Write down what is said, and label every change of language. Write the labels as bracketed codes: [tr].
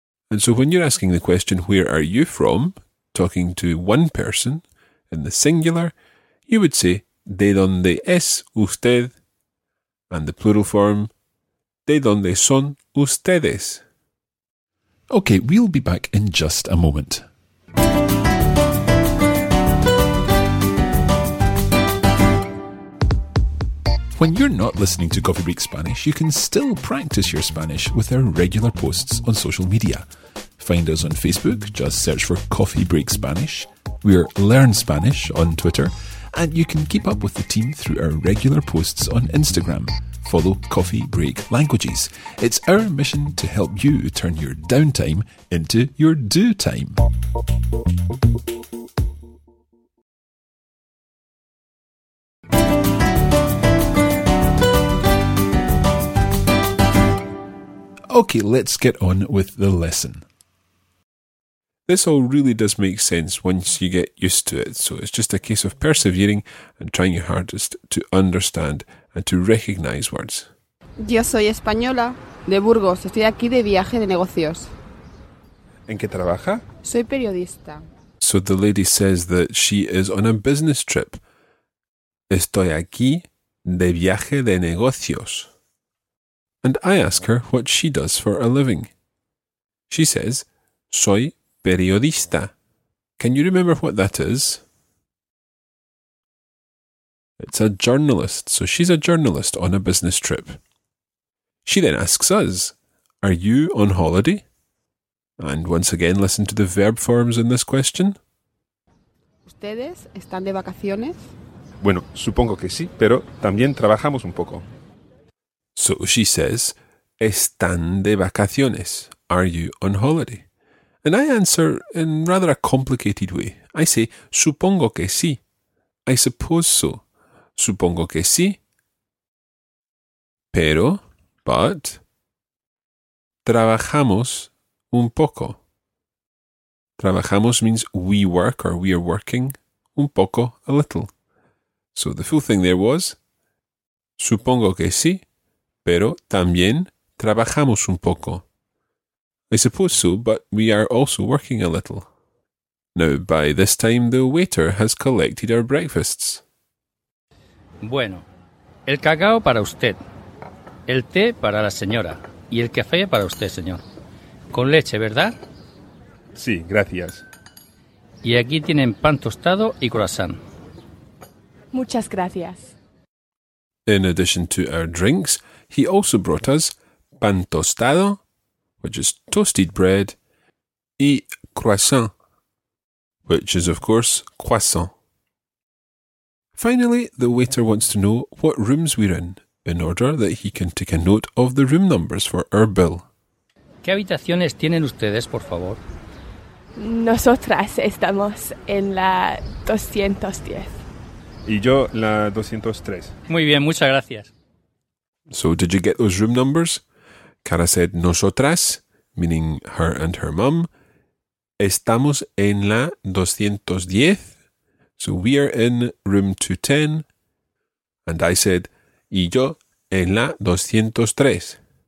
[en] And so when you're asking the question, where are you from, talking to one person in the singular, you would say, [es] ¿De dónde es usted? [en] And the plural form, [es] ¿De dónde son ustedes? [en] Okay, we'll be back in just a moment. When you're not listening to Coffee Break Spanish, you can still practice your Spanish with our regular posts on social media. Find us on Facebook, just search for Coffee Break Spanish. We're Learn Spanish on Twitter. And you can keep up with the team through our regular posts on Instagram. Follow Coffee Break Languages. It's our mission to help you turn your downtime into your do time. Okay, let's get on with the lesson. This all really does make sense once you get used to it, so it's just a case of persevering and trying your hardest to understand and to recognize words. [es] Yo soy española, de Burgos. Estoy aquí de viaje de negocios. ¿En qué trabaja? Soy periodista. [en] So the lady says that she is on a business trip. [es] Estoy aquí de viaje de negocios. [en] And I ask her what she does for a living. She says, [es] soy periodista. [en] Can you remember what that is? It's a journalist, so she's a journalist on a business trip. She then asks us, are you on holiday? And once again, listen to the verb forms in this question. [es] ¿Ustedes están de vacaciones? Bueno, supongo que sí, pero también trabajamos un poco. [en] So she says, [es] están de vacaciones. [en] Are you on holiday? And I answer in rather a complicated way. I say, [es] supongo que sí. [en] I suppose so. [es] Supongo que sí. Pero, [en] but, [es] trabajamos un poco. [en] Trabajamos means we work or we are working [es] un poco, [en] a little. So the full thing there was, [es] supongo que sí. Pero también trabajamos un poco. [en] I suppose so, but we are also working a little. Now, by this time, the waiter has collected our breakfasts. [es] Bueno, el cacao para usted, el té para la señora y el café para usted, señor. Con leche, ¿verdad? Sí, gracias. Y aquí tienen pan tostado y croissant. Muchas gracias. [en] In addition to our drinks, he also brought us pan tostado, which is toasted bread, y croissant, which is, of course, croissant. Finally, the waiter wants to know what rooms we're in order that he can take a note of the room numbers for our bill. [es] ¿Qué habitaciones tienen ustedes, por favor? Nosotras estamos en la 210. Y yo la 203. Muy bien, muchas gracias. [en] So, did you get those room numbers? Cara said, nosotras, meaning her and her mum, [es] estamos en la 210. [en] So, we are in room 210. And I said, [es] y yo en la 203.